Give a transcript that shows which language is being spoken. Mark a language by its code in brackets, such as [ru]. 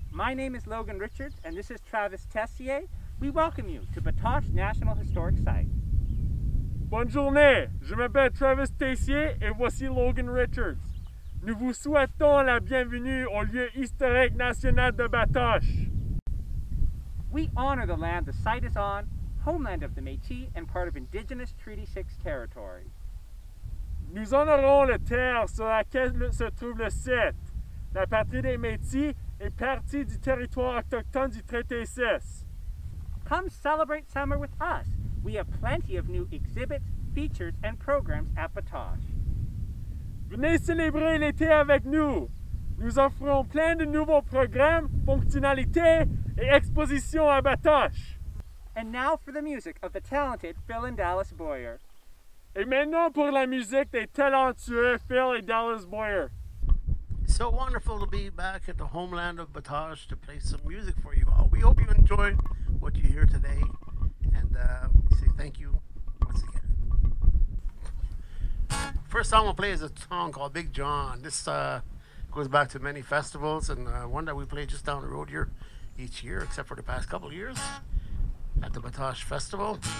[en] My name is Logan Richards and this is Travis Tessier. We welcome you to Batoche National Historic Site. [fr] Bonjour, je m'appelle Travis Tessier et voici Logan Richards. Nous vous souhaitons la bienvenue au lieu historique national de Batoche. [en] We honor the land the site is on, homeland of the Métis and part of Indigenous Treaty 6 territory. [fr] Nous honorons la terre sur laquelle se trouve le site. La patrie des Métis est partie du territoire autochtone du Traité 6. [en] Come celebrate summer with us. We have plenty of new exhibits, features, and programs at Batoche. [fr] Venez célébrer l'été avec nous. Nous offrons plein de nouveaux programmes, fonctionnalités et expositions à Batoche. [en] And now for the music of the talented Phil and Dallas Boyer. [fr] Et maintenant pour la musique des talentueux Phil et Dallas Boyer. [en] So wonderful to be back at the homeland of Batoche to play some music for you all. We hope you enjoy what you hear today, and we say thank you once again. First song we'll play is a song called Big John. This goes back to many festivals, and one that we play just down the road here each year, except for the past couple of years at the Batoche Festival.